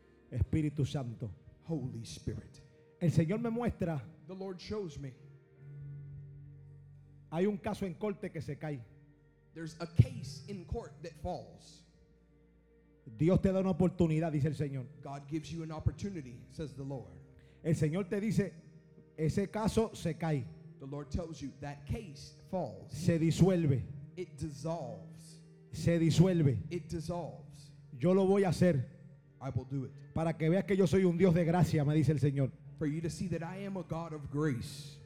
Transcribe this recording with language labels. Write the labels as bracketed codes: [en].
[es] Espíritu Santo. [en] Holy Spirit. [es] El Señor me muestra. [en] The Lord shows me. [es] Hay un caso en corte que se cae. [en] There's a case in court that falls. [es] Dios te da una oportunidad, dice el Señor. [en] God gives you an opportunity, says the Lord. [es] El Señor te dice, ese caso se cae. [en] The Lord tells you that case falls. [es] Se disuelve. [en] It dissolves. [es] Se disuelve. [en] It dissolves. [es] Yo lo voy a hacer. [en] I will do it. [es] Para que veas que yo soy un Dios de gracia, me dice el Señor. [en] For you to see that I am a God of grace.